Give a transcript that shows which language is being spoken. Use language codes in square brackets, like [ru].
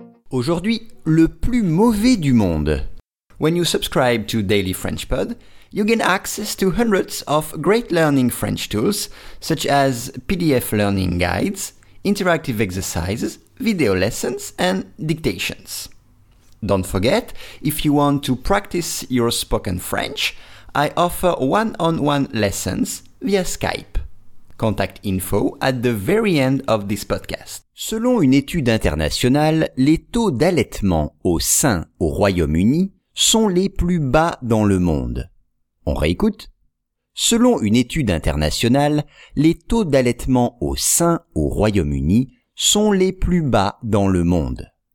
[fr] Aujourd'hui, le plus mauvais du monde. [en] When you subscribe to Daily French Pod, you gain access to hundreds of great learning French tools, such as PDF learning guides, interactive exercises, video lessons, and dictations. Don't forget, if you want to practice your spoken French, I offer one-on-one lessons via Skype. Contact info at the very end of this podcast. [fr] Selon une étude internationale, les taux d'allaitement au sein au Royaume-Uni sont les plus bas dans le monde. On réécoute. Selon une étude internationale, les taux d'allaitement au sein au Royaume-Uni sont les plus bas dans le monde.